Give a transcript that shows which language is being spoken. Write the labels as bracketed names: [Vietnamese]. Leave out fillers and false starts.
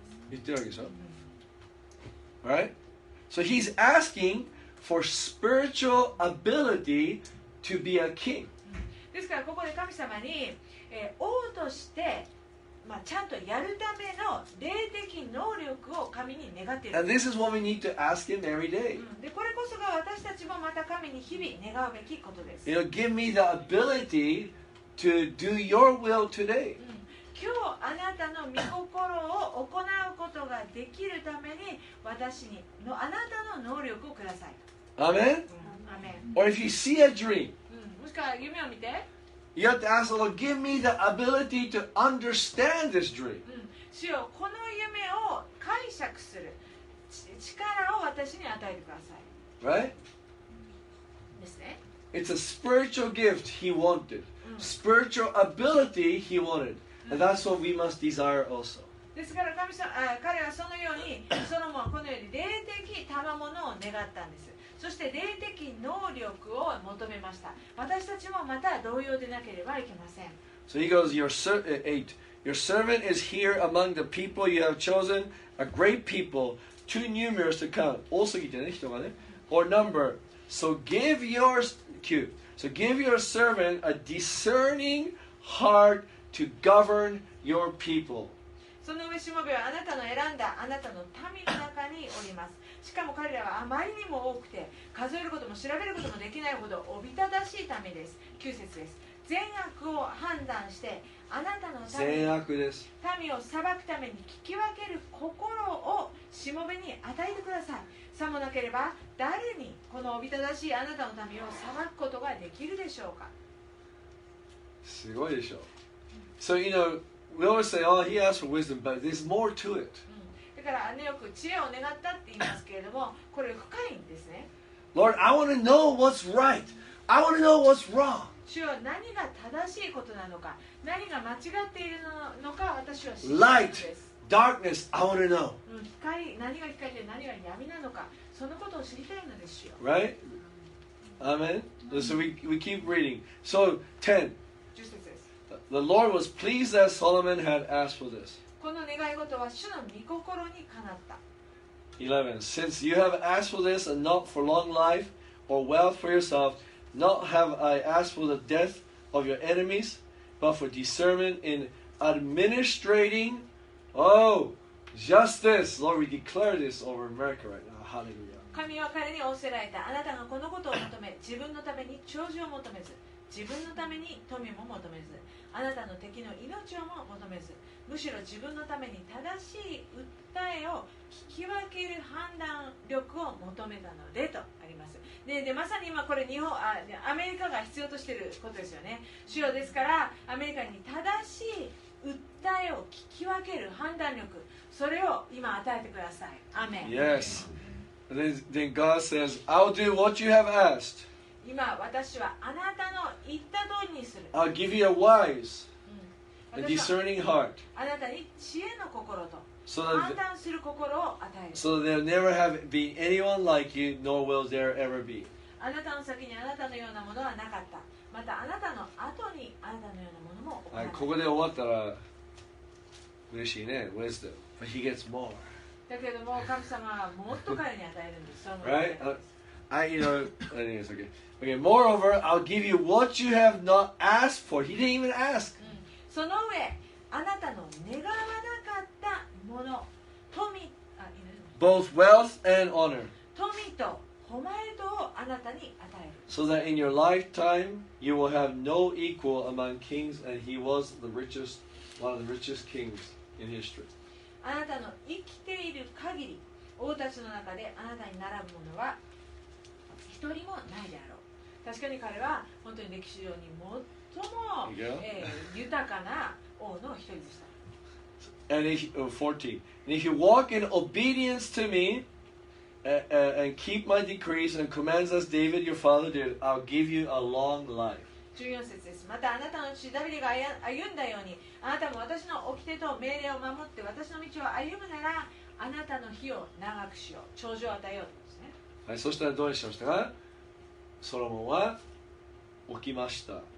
[Japanese] 言ってるわけでしょ、 [English] mm-hmm. Right? So he's asking for spiritual ability to be a king. [Japanese] ですからここで神様に、王として、まあ、ちゃんとやるための霊的能力を神に願っている。 [English] And this is what we need to ask him every day. [Japanese] でこれこそが私たちもまた神に日々願うべきことです。 [English] You know, give me the abilityTo do your will today. [Japanese] 今日あなたの御心を行うことができるために私にのあなたの能力をください。 [English] Amen. Amen. Or if you see a dream, [Japanese] もしくは夢を見て、 [English] you have to ask the Lord, give me the ability to understand this dream. [Japanese] 主よ、この夢を解釈する力を私に与えてください。 [English] Right? [Japanese] ですね。 [English] It's a spiritual gift he wanted. Spiritual ability he wanted. And that's what we must desire also. [Japanese] ですから神様、彼はそのように、そのもこのように霊的賜物を願ったんです。そして霊的能力を求めました。私たちもまた同様でなければいけません。 [English] So he goes, your servant is here among the people you have chosen, a great people, too numerous to count. [Japanese] 多すぎてね、人がね。 [English] Or number. So give your cue. So give your servant a discerning heart to govern your people. [Japanese] その上しもべはあなたの選んだあなたの民の中におります。しかも彼らはあまりにも多くて数えることも調べることもできないほどおびただしい民です。9節です。善悪を判断してあなたの民、善悪です。民を裁くために聞き分ける心をしもべに与えてください。さもなければ誰にこのおびただしいあなたの民を裁くことができるでしょうか。すごいでしょう。 [English] So you know, we always say, oh, he asked for wisdom, but there's more to it. [Japanese] だからね、よく知恵を願ったって言いますけれども、これ深いんですね。 [English] Lord, I want to know what's right. I want to know what's wrong. [Japanese] 主よ、何が正しいことなのか、何が間違っているのか、私は知りたいです。 [English] Light. Darkness, I want to know. [Japanese] 光、何が光で何が闇なのか、そのことを知りたいのですよ。 [English] Right? Amen? So we keep reading. So, 10. The Lord was pleased that Solomon had asked for this. [Japanese] この願い事は主の御心にかなった。 [English] 11. Since you have asked for this and not for long life or wealth for yourself, not have I asked for the death of your enemies, but for discernment in administrating... Oh, justice! Lord, we declare this over America right now. Hallelujah. [Japanese] 神は彼に仰せられた。あなたがこのことを求め、自分のために長寿を求めず、自分のために富も求めず、あなたの敵の命をも求めず、むしろ自分のために正しい訴えを聞き分ける判断力を求めたのでとあります。でまさに今これ日本、アメリカが必要としていることですよね。主よ、ですからアメリカに正しい訴えを聞き分ける判断力、それを今与えてください。アメン。 [English] Yes. Then God says, I'll do what you have asked. [Japanese] 今私はあなたの言った通りにする。 [English] I'll give you a wise, a discerning heart. [Japanese] あなたに知恵の心と判断する心を与える。 [English] So that there'll never have been anyone like you, nor will there ever be. [Japanese] あなたの先にあなたのようなものはなかった。またあなたの後にあなたのようなものも起こらない。ここで終わったら嬉しいね。 [English] Wisdom. But he gets more. [Japanese] だけども神様はもっと彼に与えるんです。 [English] Right? Okay. Moreover, I'll give you what you have not asked for. He didn't even ask. [Japanese] その上、あなたの願わなかったもの、富、 [English] Both wealth and honor. [Japanese] 富と誉れとをあなたに与える。 [English] So that in your lifetime you will have no equal among kings, and he was the richest, one of the richest kings in history. [Japanese] あなたの生きている限り、王たちの中であなたに並ぶものは一人もないであろう。確かに彼は本当に歴史上に最も、豊かな王の一人でした。 [English] And if, 14 And if you walk in obedience to meAnd keep my decrees and commands as David your father did, I'll give you a long life. [Japanese] 14節です。またあなたの父ダビデが歩んだように、あなたも私の掟と命令を守って私の道を歩むなら、あなたの日を長くしよう、長寿を与えようですね。はい、そしたらどうしましたか？ソロモンは起きました。